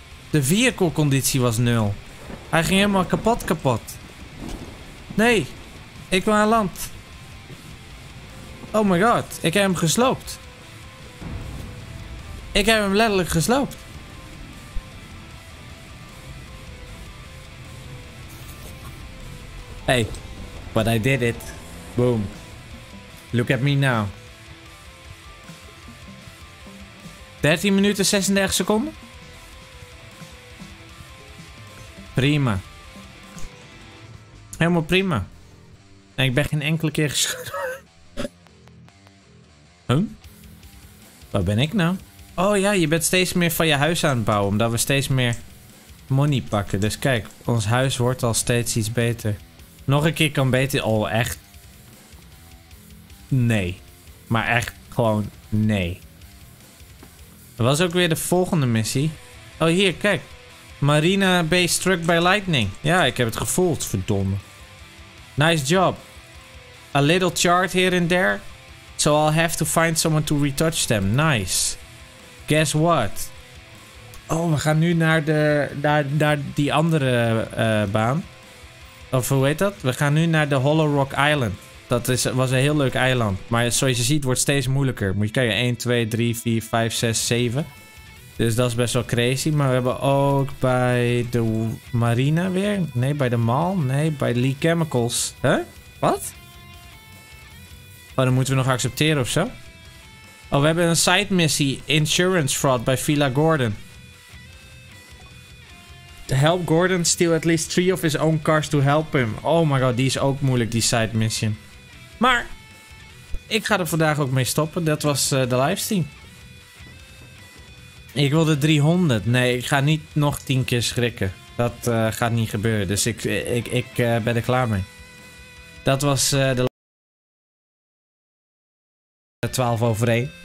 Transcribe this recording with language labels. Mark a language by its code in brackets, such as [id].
[nl] De vehicle conditie was nul. Hij ging helemaal kapot. Nee. Ik wil aan land. Oh my god. Ik heb hem gesloopt. Ik heb hem letterlijk gesloopt. [en] Hey, but I did it. Boom. Look at me now. [nl] 13 minuten 36 seconden? Prima. Helemaal prima. En ik ben geen enkele keer geschoten. Huh? Waar ben ik nou? Oh ja, je bent steeds meer van je huis aan het bouwen. Omdat we steeds meer money pakken. Dus kijk, ons huis wordt al steeds iets beter. Nog een keer kan beter. Oh, echt. Nee. Maar echt gewoon nee. Dat was ook weer de volgende missie. Oh, hier, kijk. [en] Marina Bay struck by lightning. [nl] Ja, ik heb het gevoeld, verdomme. [en] Nice job. A little charred here and there. So I'll have to find someone to retouch them. Nice. Guess what? [nl] Oh, we gaan nu naar de... Naar die andere baan. Of hoe heet dat? We gaan nu naar de Hollow Rock Island. Dat was een heel leuk eiland. Maar zoals je ziet wordt het steeds moeilijker. Moet je kijken. 1, 2, 3, 4, 5, 6, 7. Dus dat is best wel crazy. Maar we hebben ook bij de marina weer. Nee, bij de mall. Nee, bij Lee Chemicals. Huh? Wat? Oh, dan moeten we nog accepteren of zo. Oh, we hebben een side missie. Insurance fraud bij Villa Gordon. [en] Help Gordon steal at least 3 of his own cars to help him. [nl] Oh my god, die is ook moeilijk, die side mission. Maar, ik ga er vandaag ook mee stoppen. Dat was de livestream. Ik wilde 300. Nee, ik ga niet nog 10 keer schrikken. Dat gaat niet gebeuren. Dus ik ben er klaar mee. Dat was de 12 over 1.